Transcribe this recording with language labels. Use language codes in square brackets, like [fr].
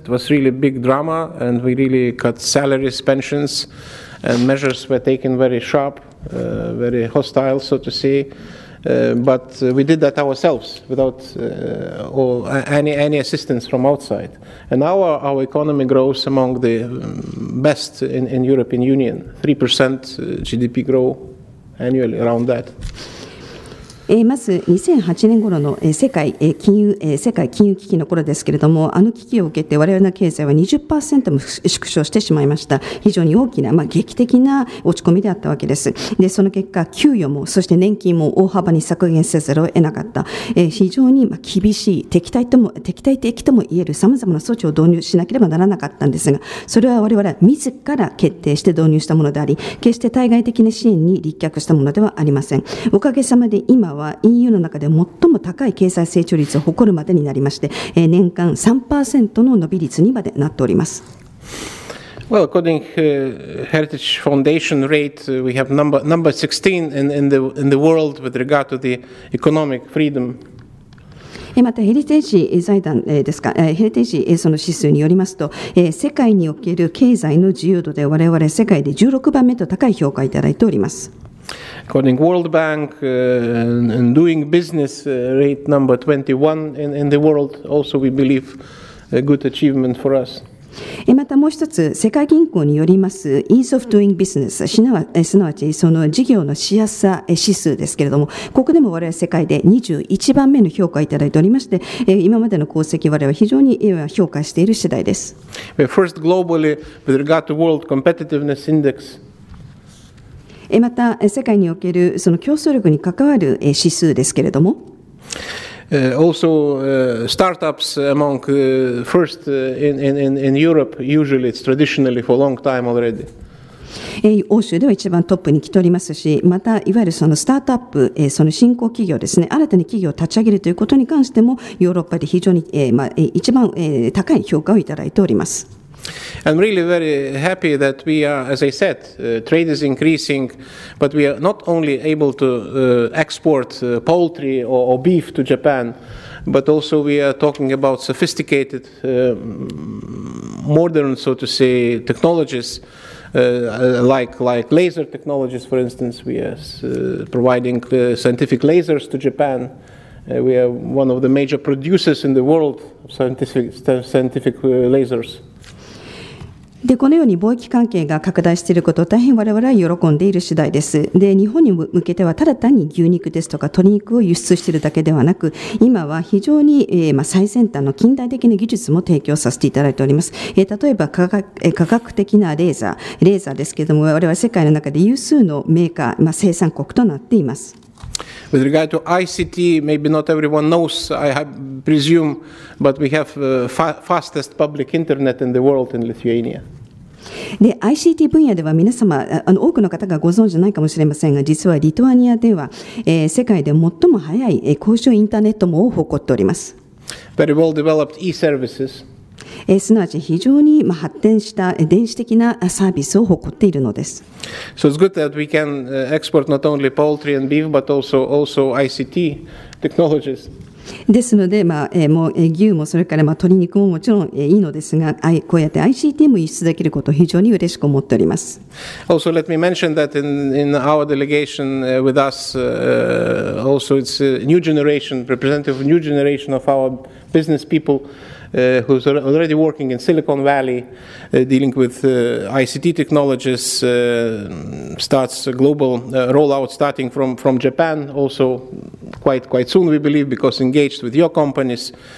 [en] It was really big drama, and we really cut salaries, pensions, and measures were taken very sharp, very hostile, so to say. But we did that ourselves without any assistance from outside. And now our economy grows among the best in European Union, 3% GDP growth annually around that. [ja] まず2008年頃の世界金融危機の頃ですけれども、あの危機を受けて我々の経済は 20% も縮小してしまいました。非常に大きな、まあ、劇的な落ち込みであったわけです。でその結果給与もそして年金も大幅に削減せざるを得なかった、非常に厳しい敵対的とも言える様々な措置を導入しなければならなかったんですが、それは我々は自ら決定して導入したものであり、決して対外的な支援に立脚したものではありません。おかげさまで今は EU の中で最も高い経済成長率を誇るまでになりまして、年間 3% の伸び率にまでなっております。 [en] Well, according to Heritage Foundation rate, we have number 16 in the world with regard to the economic freedom. [ja] またヘリテージ財団ですか、ヘリテージその指数によりますと、世界における経済の自由度で我々世界で16番目と高い評価をいただいております。 [en] According to World Bank, and doing business rate number 21 in the world, also we believe a good achievement for us. [ja] またもう一つ、世界銀行によります Ease of Doing Business、 すなわちその事業のしやすさ指数ですけれども、ここでも我々世界で21番目の評価をいただいておりまして、今までの功績我々は非常に評価している次第です。 [en] First globally with regard to World Competitiveness Index、 [ja] また世界におけるその競争力に関わる指数ですけれども、 [en] Also, startups among first in Europe, usually it's traditionally for a long time already. [ja] 欧州では一番トップに来ておりますし、またいわゆるそのスタートアップ、その新興企業ですね、新たに企業を立ち上げるということに関しても、ヨーロッパで非常に、一番、高い評価をいただいております。 [en] I'm really very happy that we are, as I said, trade is increasing, but we are not only able to export poultry or beef to Japan, but also we are talking about sophisticated, modern, so to say, technologies, like laser technologies, for instance. We are providing scientific lasers to Japan. We are one of the major producers in the world of scientific lasers. [ja] でこのように貿易関係が拡大していることを大変我々は喜んでいる次第です。で日本に向けてはただ単に牛肉ですとか鶏肉を輸出しているだけではなく、今は非常に、最先端の近代的な技術も提供させていただいております。例えば科学的なレーザーですけれども、我々は世界の中で有数のメーカー、生産国となっています。 [en] With regard to ICT, maybe not everyone knows, I presume, but we have fastest public internet in the world in Lithuania. [ja] で ICT 分野では皆様多くの方がご存じないかもしれませんが、実はリトアニアでは、世界で最も早い公衆インターネット網を誇っております。 [en] Very well developed e-services、 [ja] すなわち非常に発展した電子的なサービスを誇っているのです。 [en] So it's good that we can export not only poultry and beef but also ICT technologies [ja] ですので、もう牛もそれから鶏肉ももちろんいいのですが、こうやって ICT も輸出できることを非常に嬉しく思っております。 [en] Also let me mention that in our delegation with us, also it's a new generation, representative of new generation of our business people, who's already working in Silicon Valley, dealing with ICT technologies, starts a global rollout starting from Japan also quite soon, we believe, because engaged with your companies.